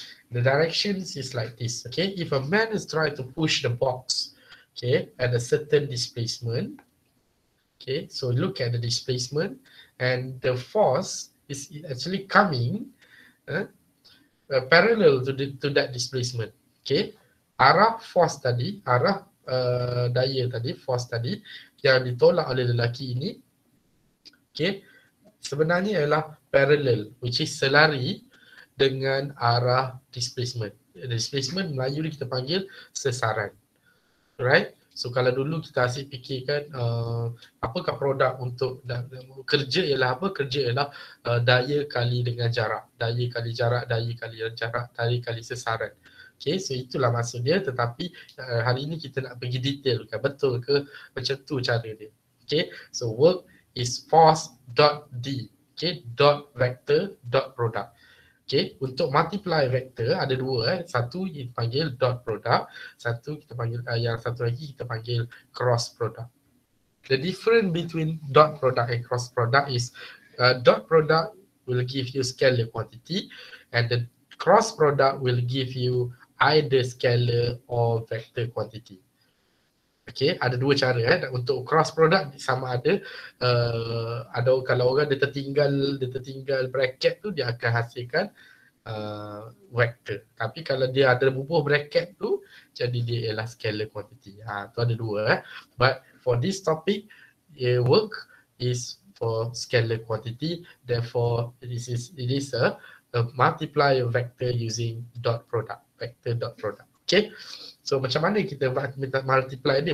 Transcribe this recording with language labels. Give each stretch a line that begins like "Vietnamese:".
English: The directions is like this. Okay, if a man is trying to push the box, okay, at a certain displacement, okay, so look at the displacement, and the force is actually coming parallel to that displacement.
Malay: Okay, arah force tadi, arah daya tadi, force tadi yang ditolak oleh lelaki ini, okay, sebenarnya ialah parallel,
English: which is
Malay: selari dengan arah displacement. Displacement Melayu ni kita panggil sesaran. Right? So kalau dulu kita asyik fikirkan apakah produk untuk kerja ialah apa? Kerja ialah daya kali dengan jarak. Daya kali jarak, daya kali jarak, daya kali sesaran. Okay, so itulah maksud dia. Tetapi hari ini kita nak pergi detail, kan? Betul ke macam tu cara dia?
English: Okay, so work is force dot D. Okay, dot vector dot product.
Malay: Okay, untuk multiply vector ada dua. Satu kita panggil dot product. Satu kita panggil, yang satu lagi kita panggil cross product.
English: The difference between dot product and cross product is dot product will give you scalar quantity and the cross product will give you either scalar or vector quantity.
Malay: Okay, ada dua cara untuk cross product. Sama ada ada, kalau orang dia tertinggal bracket tu, dia akan hasilkan vector. Tapi kalau dia ada bubuh bracket tu, jadi dia ialah scalar quantity. Ha, tu ada dua
English: But for this topic, it work is for scalar quantity. Therefore, it is a multiplier vector using dot product. Vector dot product.
Malay: Okay, so macam mana kita multiply ni?